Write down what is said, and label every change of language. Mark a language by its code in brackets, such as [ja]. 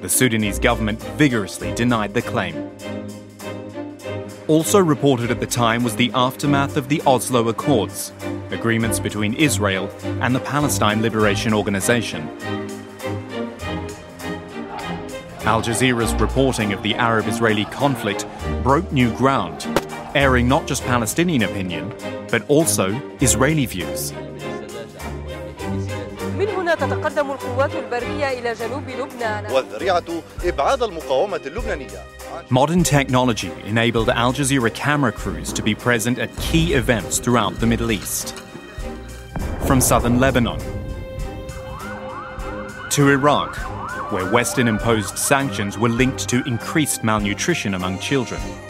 [en] The Sudanese government vigorously denied the claim. Also reported at the time was the aftermath of the Oslo Accords, agreements between Israel and the Palestine Liberation Organization. Al Jazeera's reporting of the Arab-Israeli conflict broke new ground, airing not just Palestinian opinion, but also Israeli views. [ar] من هنا تتقدم القوات البرية إلى جنوب لبنان. والذريعة إبعاد المقاومة اللبنانية. [en] Modern technology enabled Al Jazeera camera crews to be present at key events throughout the Middle East. From southern Lebanon to Iraq, where Western-imposed sanctions were linked to increased malnutrition among children.